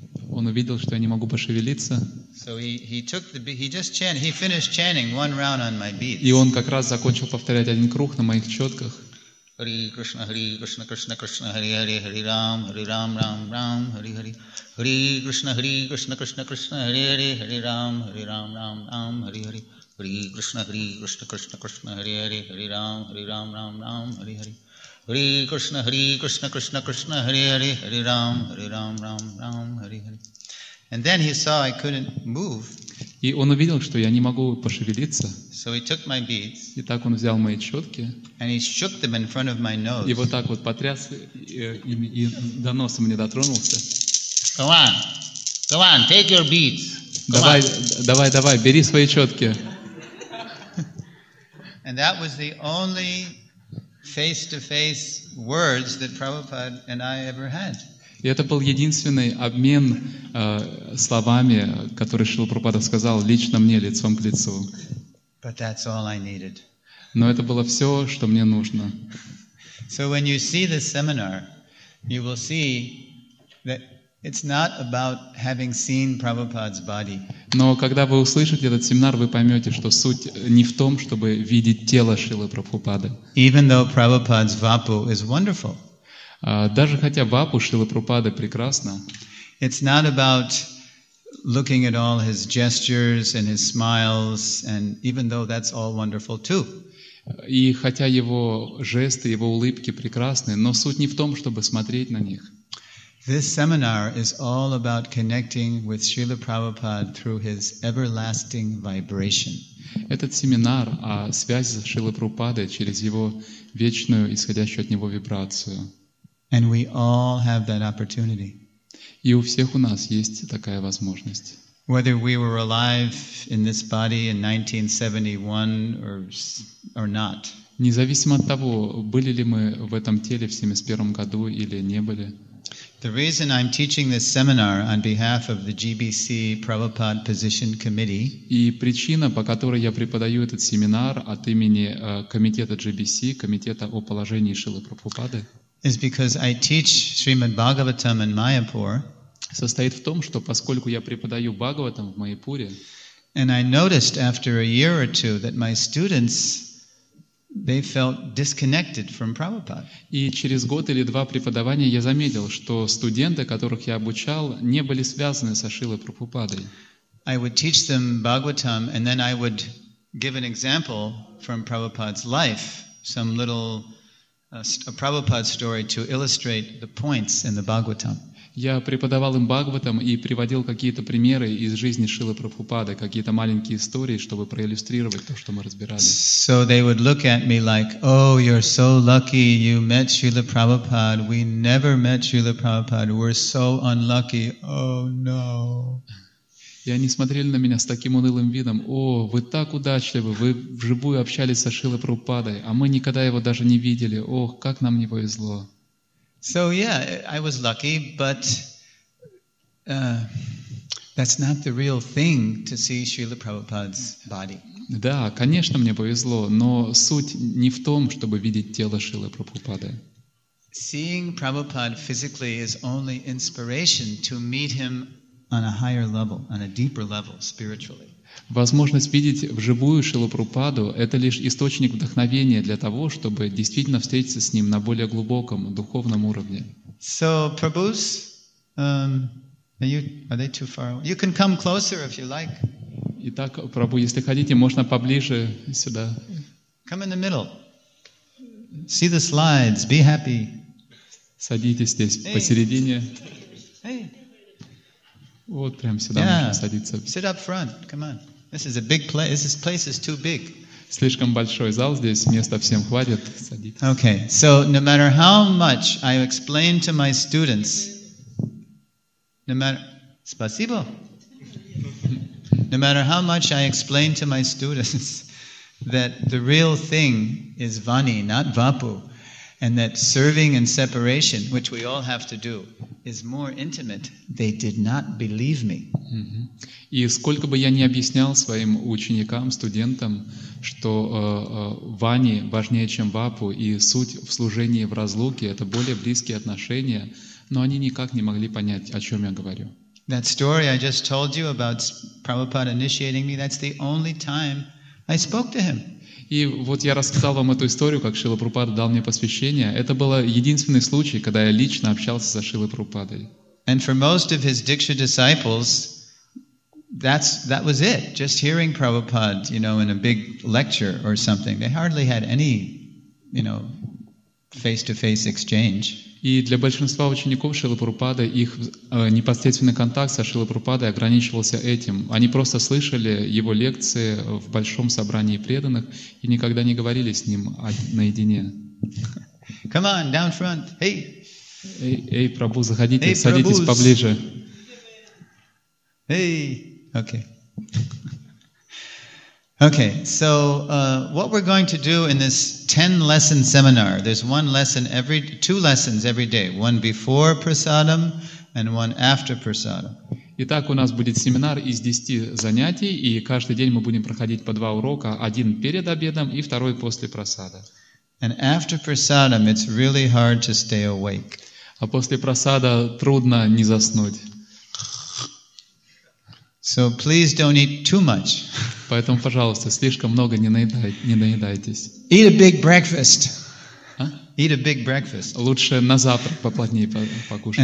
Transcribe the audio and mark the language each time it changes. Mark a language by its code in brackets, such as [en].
[ru] Он увидел, что я не могу пошевелиться. [en] So he finished chanting one round on my beads. [ru] И он как раз закончил повторять один круг на моих четках. [sa] Hare Krishna, Hare Krishna, Krishna Krishna, Hare Hare, Hare Ram, Hare Ram, Ram Ram, Hare Hare. Hare Krishna, Hare Krishna, Krishna Krishna, Hare Hare, Hare Ram, Hare Ram, Ram Ram, Hare Hare. Hare Krishna, Hare Krishna, Krishna Krishna, Hare Hare, Hare Ram, Hare Ram, Ram Ram, Hare Hare. Hare Krishna, Hare Krishna, Krishna Krishna, Hare Hare, Hare Ram, Hare Ram, Ram Ram, Hare Hare. [en] And then he saw I couldn't move. [ru] И он увидел, что я не могу пошевелиться. [en] So he took my beads. [ru] И так он взял мои четки. [en] And he shook them in front of my nose. [ru] И вот так вот потряс и до носа мне дотронулся. [en] Come on, come on, take your beads. [ru] Давай, бери свои четки. [en] And that was the only face-to-face words that Prabhupada and I ever had. [ru] И это был единственный обмен словами, который Шрила Прабхупада сказал лично мне, лицом к лицу. [en] But that's all I needed. [ru] Но это было все, что мне нужно. [en] So when you see this seminar, you will see that it's not about having seen Prabhupada's body. [ru] Но когда вы услышите этот семинар, вы поймете, что суть не в том, чтобы видеть тело Шрилы Прабхупады. [en] Even though Prabhupada's vapu is wonderful. [ru] Даже хотя вапу Шрилы Прабхупады прекрасна. [en] It's not about looking at all his gestures and his smiles, and even though that's all wonderful too. [ru] И хотя его жесты, его улыбки прекрасны, но суть не в том, чтобы смотреть на них. [en] This seminar is all about connecting with Srila Prabhupada through his everlasting vibration. [ru] Этот семинар о связи с Шрилой Прабхупадой через его вечную исходящую от него вибрацию. [en] And we all have that opportunity. [ru] И у всех у нас есть такая возможность. [en] Whether we were alive in this body in 1971 or not. [ru] Независимо от того, были ли мы в этом теле в 71 году или не были. [en] The reason I'm teaching this seminar on behalf of the GBC Prabhupada Position Committee. [ru] И причина, по которой я преподаю этот семинар от имени комитета GBC, комитета о положении Шрилы Прабхупады, [en] is because I teach Srimad Bhagavatam in Mayapur. [ru] Состоит в том, что поскольку я преподаю Бхагаватам в Майпуре, [en] and I noticed after a year or two that my students they felt disconnected from Prabhupada. [ru] И через год или два преподавания я заметил, что студенты, которых я обучал, не были связаны со Шрилой Прабхупадой. [en] I would teach them Bhagavatam and then I would give an example from Prabhupada's life, some little a Prabhupada story to illustrate the points in the Bhagavatam. [ru] Я преподавал им Бхагаватам и приводил какие-то примеры из жизни Шрилы Прабхупады, какие-то маленькие истории, чтобы проиллюстрировать то, что мы разбирали. [en] So they would look at me like, oh, you're so lucky you met Srila Prabhupada. We never met Srila Prabhupada. We're so unlucky. Oh, no. [ru] И они смотрели на меня с таким унылым видом. О, вы так удачливы. Вы вживую общались со Шрилой Прабхупадой, а мы никогда его даже не видели. Ох, как нам не повезло. [en] So yeah, I was lucky, but that's not the real thing to see Srila Prabhupada's body. [ru] Да, конечно, мне повезло, но суть не в том, чтобы видеть тело Шрилы Прабхупады. [en] Seeing Prabhupada physically is only inspiration to meet him on a higher level, on a deeper level spiritually. [ru] Возможность видеть вживую Шрилу Прабхупаду — это лишь источник вдохновения для того, чтобы действительно встретиться с ним на более глубоком духовном уровне. [en] So, Prabhus, are they too far away? You can come closer if you like. [ru] Итак, Прабху, если хотите, можно поближе сюда. [en] Come in the middle. See the slides. Be happy. [ru] Садитесь здесь hey. Посередине. Вот прямо сюда yeah. Можно садиться. [en] Sit up front. Come on. This is a big place. This place is too big. [ru] Слишком большой зал здесь, места всем хватит. Садитесь. Okay. [en] So no matter how much I explain to my students, no matter how much I explain to my students that the real thing is vani, not vapu, and that serving and separation, which we all have to do, is more intimate, they did not believe me. Mm-hmm. [ru] И сколько бы я ни объяснял своим ученикам, студентам, что вани важнее, чем вапу, и суть в служении в разлуке — это более близкие отношения, но они никак не могли понять, о чем я говорю. [en] That story I just told you about Prabhupada initiating me, that's the only time I spoke to him. [ru] И вот я рассказал вам эту историю, как Шрила Прабхупада дал мне посвящение. Это был единственный случай, когда я лично общался со Шрилой Прабхупадой. [en] And for most of his Diksha disciples, that was it. Just hearing Prabhupada, you know, in a big lecture or something. They hardly had any, you know, face-to-face exchange. [ru] И для большинства учеников Шрилы Прабхупады их непосредственный контакт со Шрилой Прабхупадой ограничивался этим. Они просто слышали его лекции в большом собрании преданных и никогда не говорили с ним наедине. [en] Come on, down front. Hey. [ru] Эй, Прабху, заходите, hey, садитесь Prabhus. Поближе. Hey. Okay. [en] Okay, so what we're going to do in this 10-lesson seminar, there's two lessons every day, one before prasadam and one after prasadam. [ru] Итак, у нас будет семинар из 10 занятий, и каждый день мы будем проходить по два урока, один перед обедом и второй после прасада. [en] And after prasadam, it's really hard to stay awake. [ru] А после прасада трудно не заснуть. [en] So please don't eat too much. [ru] Поэтому, пожалуйста, слишком много не наедайтесь. [en] Eat a big breakfast. А? Eat a big breakfast. [ru] Лучше на завтрак поплотнее покушать.